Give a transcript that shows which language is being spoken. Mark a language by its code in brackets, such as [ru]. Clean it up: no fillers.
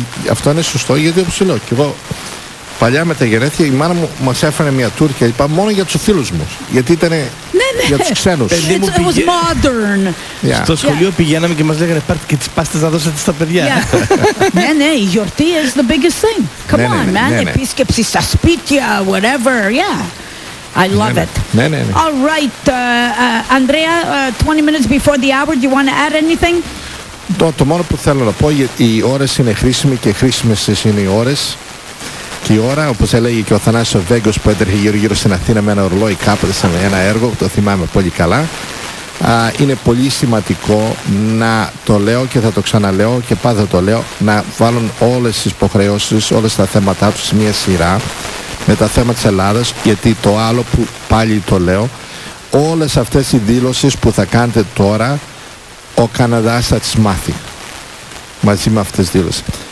[el] Αυτό είναι σωστό, γιατί όπως λέω και εγώ, παλιά με τα γενέθλια η μάνα μου μας έφερε μια τούρκια, είπα μόνο για τους φίλους μου. Γιατί ήταν για τους ξένους. [en] It was modern. Yeah. [el] Στο σχολείο πηγαίναμε και μας λέγανε πάρτε και τις πάστες να δώσετε στα παιδιά. [en] Yeah. [el] Ναι, η γιορτή [en] is the biggest thing. Come on, man. [el] Επίσκεψη στα σπίτια, whatever. [en] Yeah. I love it. [el] Ναι. [en] All right, Andrea, 20 minutes before the hour, do you want to add anything? [el] Το μόνο που θέλω να πω, γιατί οι ώρες είναι χρήσιμοι και χρήσιμες είναι οι ώρες. Και η ώρα, όπως έλεγε και ο Θανάσης ο Βέγκος που έτρεχε γύρω-γύρω στην Αθήνα με ένα ρολόι κάποτε σε ένα έργο, το θυμάμαι πολύ καλά. Είναι πολύ σημαντικό να το λέω και θα το ξαναλέω και πάντα το λέω, να βάλουν όλες τις υποχρεώσεις, όλες τα θέματα τους σε μια σειρά με τα θέματα της Ελλάδας, γιατί το άλλο που πάλι το λέω, όλες αυτές οι δήλωσεις που θα κάνετε τώρα, ο Καναδάς θα τις μάθει μαζί με αυτές τις δήλωσεις.